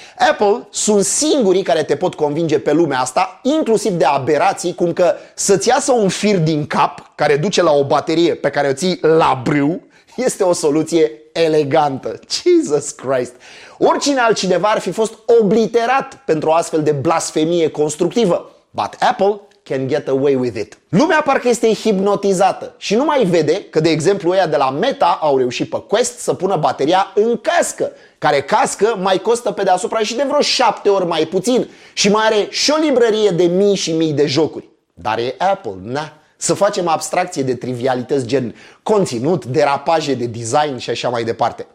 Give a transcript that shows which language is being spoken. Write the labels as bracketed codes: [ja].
[ro] Apple sunt singurii care te pot convinge pe lumea asta, inclusiv de aberații, cum că să-ți iasă un fir din cap, care duce la o baterie pe care o ții la brâu, este o soluție elegantă. [en] Jesus Christ! [ro] Oricine altcineva ar fi fost obliterat pentru o astfel de blasfemie constructivă. [en] But Apple can get away with it. [ro] Lumea parcă este hipnotizată și nu mai vede că, de exemplu, ăia de la Meta au reușit pe Quest să pună bateria în cască, care cască mai costă pe deasupra și de vreo 7 ori mai puțin și mai are și o librărie de mii și mii de jocuri. Dar e Apple, na. Să facem abstracție de trivialități gen conținut, derapaje de design și așa mai departe.